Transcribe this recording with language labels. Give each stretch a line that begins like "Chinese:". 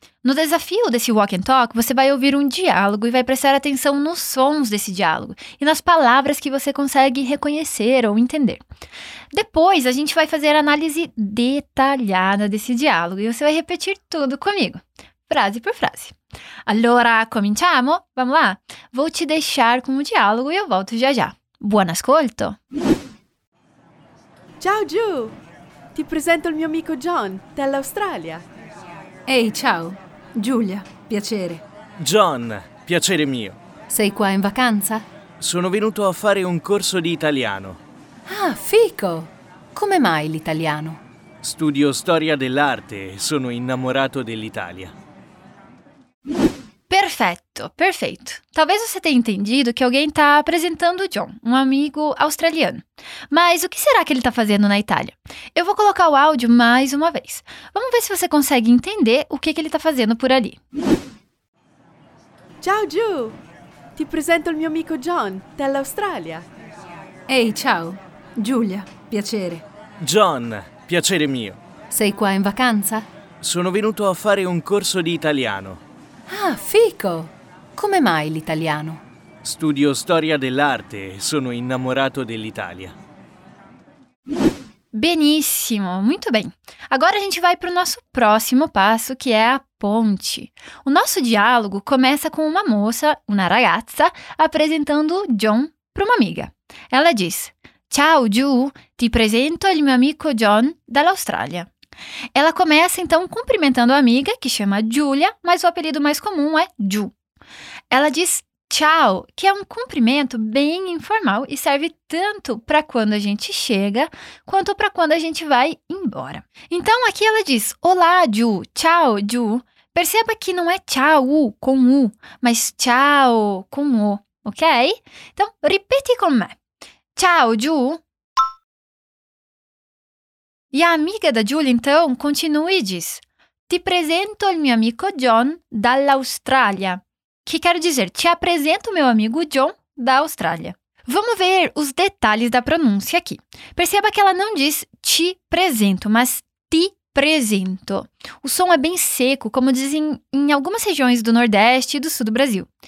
Portuguese: No desafio desse Walk and Talk, você vai ouvir um diálogo e vai prestar atenção nos sons desse diálogo e nas palavras que você consegue reconhecer ou entender. Depois, a gente vai fazer análise detalhada desse diálogo e você vai repetir tudo comigo, frase por frase.
Italian: Allora, cominciamo?
Portuguese: Vamos lá? Vou te deixar com o diálogo e eu volto já já.
Italian: Buon ascolto! Ciao, Giù! Ti presento il mio amico John, dell'Australia. Ehi, ciao. Giulia, piacere. John, piacere mio. Sei qua in vacanza? Sono venuto a fare un corso di italiano. Ah, fico! Come mai l'italiano? Studio storia dell'arte e sono innamorato dell'Italia. Perfetto, perfeito.
Portuguese: Talvez você tenha entendido que alguém está apresentando o John, um amigo australiano. Mas o que será que ele está fazendo na Itália? Eu vou colocar o áudio mais uma vez. Vamos ver se você consegue entender o que ele está fazendo por ali.
Italian: Ciao, Giù! Ti presento il mio amico John, dell'Australia. Ehi, ciao. Giulia, piacere. John, piacere mio. Sei qua in vacanza? Sono venuto a fare un corso di italiano. Ah, fico! Come mai l'italiano? Studio storia dell'arte e sono innamorato dell'Italia.
Portuguese: Benissimo, muito bem. Agora a gente vai para o nosso próximo passo, que é a ponte. O nosso diálogo começa com uma moça, uma ragazza, apresentando John para uma amiga. Ela diz:
Italian: "Ciao, Ju, ti presento il mio amico John dall'Australia."
Portuguese: Ela começa, então, cumprimentando a amiga, que chama Julia, mas o apelido mais comum é Ju. Ela diz tchau, que é um cumprimento bem informal e serve tanto para quando a gente chega, quanto para quando a gente vai embora. Então, aqui ela diz, olá, Ju, tchau, Ju. Perceba que não é tchau com U, mas tchau com O, ok? Então, repete com me. Tchau, Ju. E a amiga da Julia, então, continua e diz,
Italian: ti presento il mio amico John dall'Australia.
Portuguese: Que quer dizer, te apresento meu amigo John da Austrália. Vamos ver os detalhes da pronúncia aqui. Perceba que ela não diz te presento, mas ti presento. O som é bem seco, como dizem em algumas regiões do Nordeste e do Sul do Brasil.